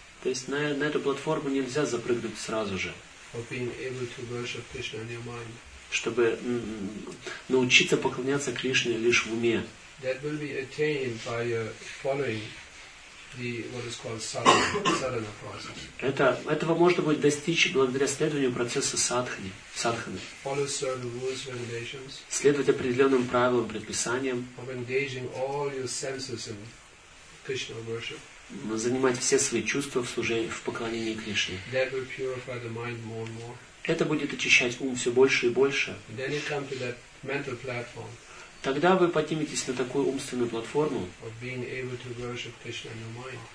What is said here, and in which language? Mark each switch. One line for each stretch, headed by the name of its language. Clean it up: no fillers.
Russian: То есть на эту платформу нельзя запрыгнуть сразу же.
English: Of being able to worship Krishna in your mind.
Russian: Чтобы научиться поклоняться Кришне лишь в уме.
English: That will be attained by following the what is called sadhana process.
Russian: Этого можно будет достичь благодаря следованию процесса садхани. Садханы.
English: Follow certain rules, regulations.
Russian: Следовать определенным правилам, предписаниям.
English: Of engaging all your senses in Krishna worship.
Russian: Занимать все свои чувства в служении, в поклонении Кришне.
English: That will purify the mind more and more.
Russian: Это будет очищать ум все больше и больше.
English: And then you come to that mental platform.
Russian: Тогда вы подниметесь на такую умственную платформу,
English: of being able to worship Krishna in your mind.